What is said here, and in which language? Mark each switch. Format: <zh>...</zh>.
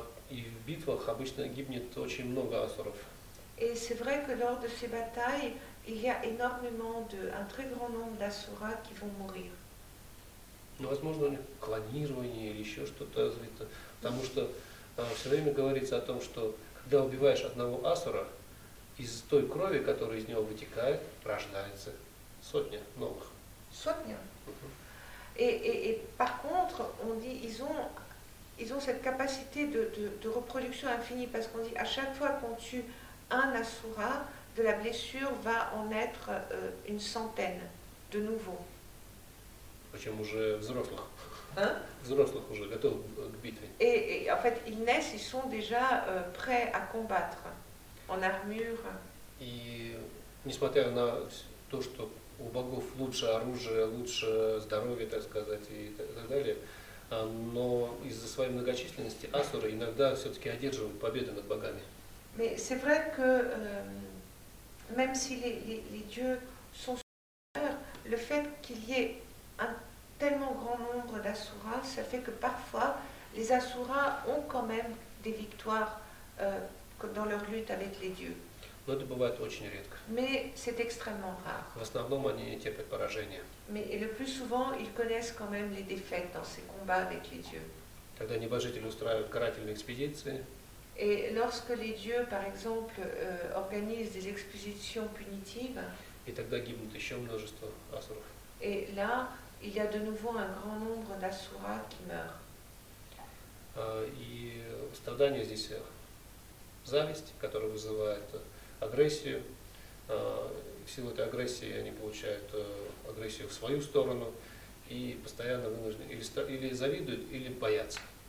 <ru>И в битвах обычно гибнет очень много асуров.</ru> <fr>Et c'est vrai que lors de ces batailles, il y a énormément un très grand nombre d'Asura qui vont mourir.</fr> <ru>Ну, возможно, клонирование или еще что-то развито. Потому что все время говорится о том, что когда убиваешь одного асура, из той крови, которая из него вытекает, рождается сотня новых. Сотня?</ru> <fr>И par contre, on dit, ils ont cette capacité de reproduction infinie parce qu'on dit à chaque fois qu'on tue un asura, de la blessure va en être une centaine de nouveau.</fr> <ru>Причем уже взрослых. Hein? Взрослых уже готовы к битве.</ru> <fr>Et en fait, ils naissent, ils sont déjà prêts à combattre en armure.</fr> <ru>И несмотря на то, что у богов лучше оружие, лучше здоровье, так сказать, и так далее. Но из-за своей многочисленности асуры иногда все-таки одерживают победы над богами.</ru> <fr>Mais c'est vrai que même si les dieux sont supérieurs, le fait qu'il y ait un tellement grand nombre d'asuras, ça fait que parfois les asuras ont quand même des victoires dans leur lutte avec les dieux.</fr> <ru>Но это бывает очень редко.</ru> <fr>Mais c'est extrêmement rare.</fr> <ru>В основном они терпят поражение.</ru> <fr>Mais le plus souvent, ils connaissent quand même les défaites dans ces combats avec les dieux.</fr> <ru>Тогда небожители устраивают карательные экспедиции.</ru> <fr>Et lorsque les dieux, par exemple, organisent des expéditions punitives,</fr> <ru>et тогда гибнут еще множество асуров.</ru> <fr>Et là, il y a de nouveau un grand nombre d'asuras qui meurent.</fr> <ru>И страдание здесь зависть, которая вызывает агрессию. В силу этой агрессии они получают агрессию в свою сторону и постоянно вынуждены или завидуют, или боятся.</ru>